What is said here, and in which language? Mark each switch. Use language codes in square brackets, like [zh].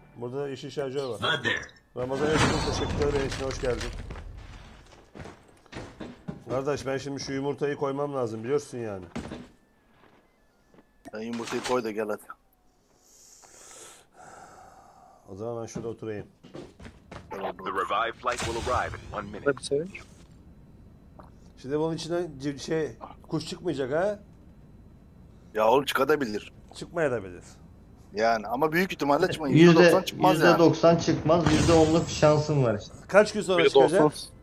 [tr] Burada yeşil şarjör var. Ramazan Özgür teşekkürler benim için. Hoş geldin. Kardeş ben şimdi şu yumurtayı koymam lazım biliyorsun yani. Ben yumurtayı koy da gel hadi. O zaman ben şurada oturayım. [en] The revived flight will arrive in 1 minute. Let's see. [tr] Şimdi bunun içinden şey kuş çıkmayacak ha? Ya oğlum çıkabilir. Çıkmayabilir. Yani ama büyük ihtimalle çıkmaz. %90 çıkmaz yani. %90 çıkmaz. %10'luk şansın var işte. Kaç gün sonra çıkacak?